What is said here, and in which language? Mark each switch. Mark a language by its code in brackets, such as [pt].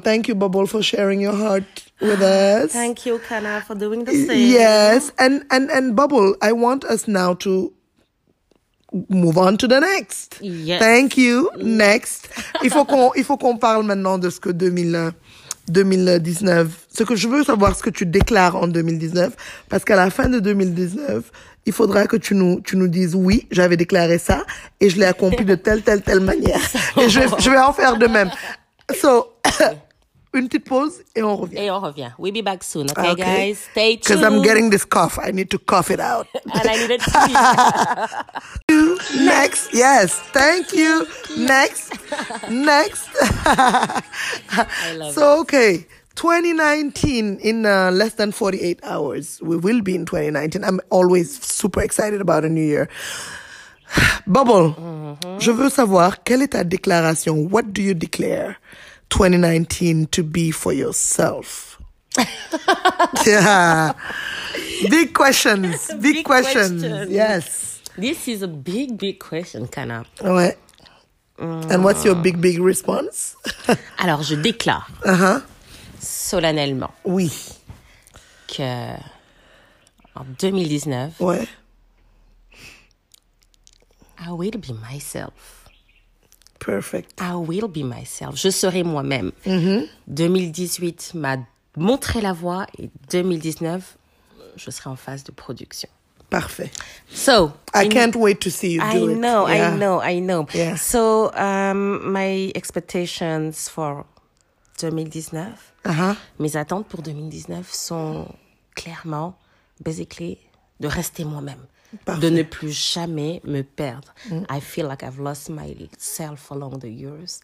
[en] Thank you, Bubble, for sharing your heart with us. Thank you, Kana, for doing the same. Yes. And Bubble, I want us now to move on to the next. Yes. Thank you. Next. [fr] Il faut qu'on parle maintenant de ce que 2019, ce que je veux savoir, ce que tu déclares en 2019, parce qu'à la fin de 2019, il faudra que tu nous dises oui, j'avais déclaré ça et je l'ai accompli de telle manière. Et je vais en faire de même. So, une petite pause et on revient. Et on revient. [en] We'll be back soon, okay, okay. Guys? Stay tuned. Because I'm getting this cough. I need to cough it out. And I need it too. Next. Yes. Thank you. Next. Next. I love So, okay. 2019, in less than 48 hours, we will be in 2019. I'm always super excited about a new year. [fr] Bubble, je veux savoir, quelle est ta déclaration? [en] What do you declare 2019 to be for yourself? Yeah. Big questions. Big, big questions. Yes. This is a big, big question, Kana. Ouais. And what's your big, big response? [fr] Alors, je déclare. Solennellement. Oui. Que en 2019. Ouais. [en] I will be myself. Perfect. I will be myself. [fr] Je serai moi-même. Mm-hmm. 2018 m'a montré la voie et 2019, je serai en phase de production. Parfait. [en] So, I can't wait to see you do it. I know. Yeah. So, my expectations for 2019. [fr] Mes attentes pour 2019 sont clairement, basically, de rester moi-même. Parfait. De ne plus jamais me perdre. [en] I feel like I've lost myself along the years.